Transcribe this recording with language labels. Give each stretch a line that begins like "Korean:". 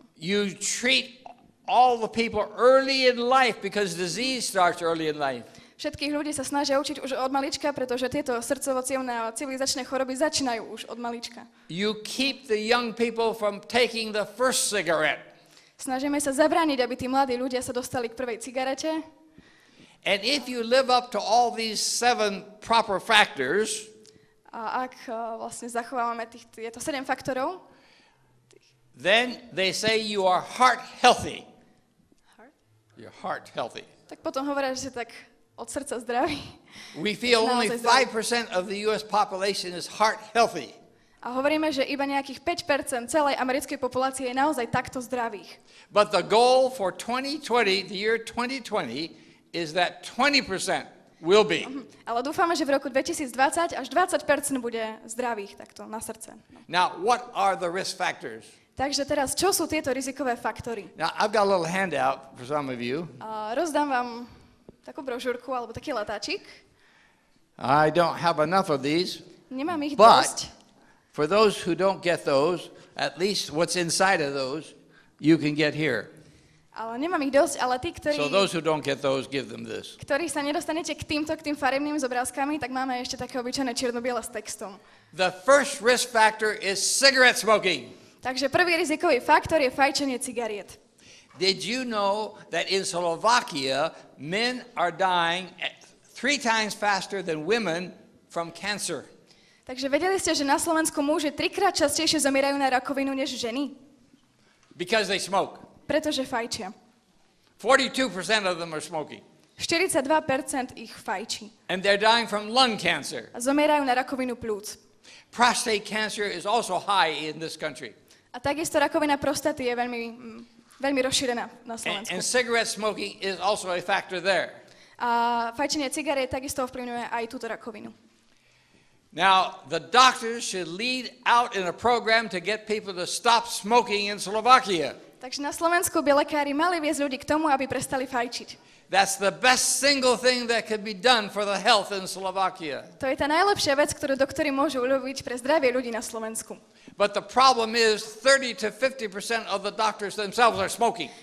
English: You treat all the people early in life because disease starts early in life.
Slovak: Všetkých ľudí sa snažia učiť už od malička, pretože tieto srdcovo-cievne a civilizačné choroby začínajú už od malička.
English: You keep the young people from taking the first cigarette.
Slovak: Snažíme sa zabrániť, aby tí mladí ľudia sa dostali k prvej cigarete.
English: And if you live up to all these seven proper factors,
Slovak: a ak vlastne zachovávame tieto 7 faktorov,
English: then they say you are heart healthy. Heart? You're heart healthy.
Slovak: Tak potom hovoria, že tak od srdca zdraví.
English: We feel only 5% of the US population is heart healthy.
Slovak: A hovoríme, že iba nejakých 5% celej americkej populácie je naozaj takto zdravých.
English: But the goal for 2020, the year 2020, is that 20% will be.
Slovak: Ale dúfame, že v roku 2020 až 20% bude zdravých takto na srdce.
English: Now, what are the risk factors?
Slovak: Takže teraz, čo sú tieto rizikové faktory?
English: Now, I've got a little handout for some of you.
Slovak: Rozdám vám takú brožúrku alebo taký letáčik.
English: I don't have enough of these.
Slovak: Nemám ich
English: but
Slovak: dosť.
English: For those who don't get those, at least what's inside of those, you can get here.
Slovak: Ale nemám ich dosť, ale tí, ktorí,
English: so those who don't get those, give them this.
Slovak: Ktorí sa nedostanete k týmto, k tým farebným zobrázkami, tak máme ešte také obyčajné čierno-biele s textom.
English: The first risk factor is cigarette smoking.
Slovak: Takže prvý rizikový faktor je fajčenie cigariet.
English: Did you know that in Slovakia men are dying 3 times faster than women from cancer?
Slovak: Takže vedeli ste, že na Slovensku muži 3-krát častejšie zomierajú na rakovinu než ženy?
English: Because they smoke.
Slovak: Pretože fajčia.
English: 42% of them are smoking.
Slovak: 42% ich fajčí.
English: And they're dying from lung cancer.
Slovak: A zomierajú na rakovinu pľúc.
English: Prostate cancer is also high in this country.
Slovak: A takisto rakovina prostaty je veľmi, veľmi rozšírená na Slovensku.
English: And cigarette smoking is also a factor there.
Slovak: A fajčenie cigariet takisto ovplyvňuje aj túto rakovinu.
English: Now, the doctors should lead out in a program to get people to stop smoking in Slovakia.
Slovak: Takže na Slovensku by lekári mali viesť ľudí k tomu, aby prestali fajčiť.
English: That's the best single thing that could be done for the health in Slovakia.
Slovak: To je tá najlepšia vec, ktorú doktori môžu urobiť pre zdravie ľudí na Slovensku.
English: But the problem is 30 to 50% of the doctors themselves are smoking.